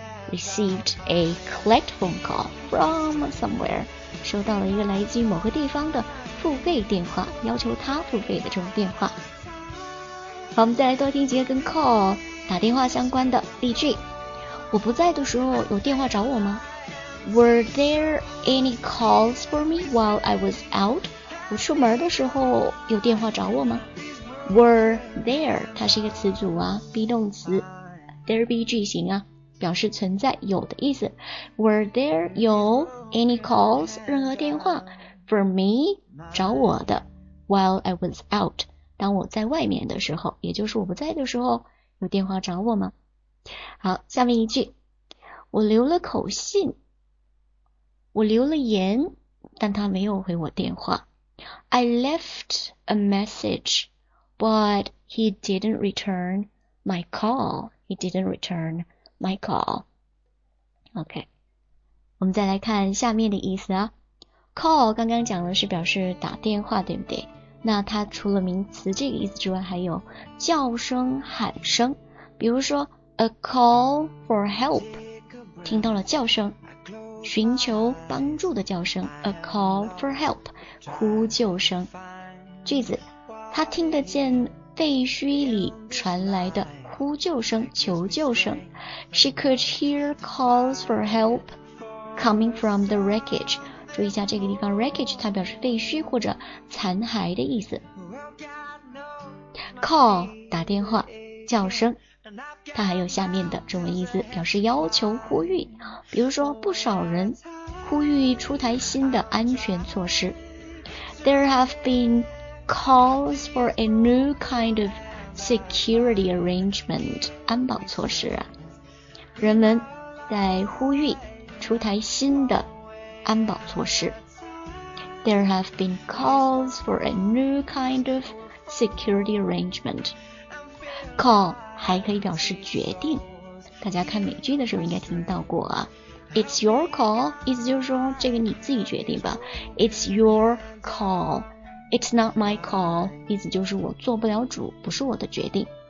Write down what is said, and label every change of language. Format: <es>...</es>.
<en>Received a collect phone call from somewhere.</en> <zh>收到了一个来自于某个地方的付费电话，要求他付费的这种电话。好，我们再来多听几个跟 call打电话相关的例句。我不在的时候有电话找我吗？</zh> <en>Were there any calls for me while I was out?</en> <zh>我出门的时候有电话找我吗？ Were there， 它是一个词组啊， be 动词， there be 句型啊，表示存在有的意思。 Were there 有 any calls 任何电话 for me 找我的</zh> <en>while I was out</en> <zh>当我在外面的时候，也就是我不在的时候有电话找我吗？好，下面一句，我留了口信，我留了言，但他没有回我电话。</zh> <en>I left a message, but he didn't return my call. He didn't return my call.</en> <zh>OK， 我们再来看下面的意思啊。Call 刚刚讲的是表示打电话，对不对？那它除了名词这个意思之外，还有叫声、喊声。比如说</zh> <en>a call for help，</en> <zh>听到了叫声，寻求帮助的叫声， a call for help， 呼救声。句子，他听得见废墟里传来的呼救声、求救声。</zh> <en>She could hear calls for help coming from the wreckage。</en> <zh>注意一下这个地方 wreckage 它表示废墟或者残骸的意思。 call 打电话叫声，它还有下面的中文意思，表示要求呼吁，比如说不少人呼吁出台新的安全措施。</zh> <en>There have been calls for a new kind of security arrangement，</en> <zh>安保措施啊。人们在呼吁出台新的安保措施。</zh> <en>There have been calls for a new kind of security arrangement.</en> <zh>Call 还可以表示决定，大家看美剧的时候应该听到过啊。</zh> <en>It's your call,</en> <zh>意思就是说这个你自己决定吧。</zh> <en>It's your call, it's not my call,</en> <zh>意思就是我做不了主，不是我的决定。</zh>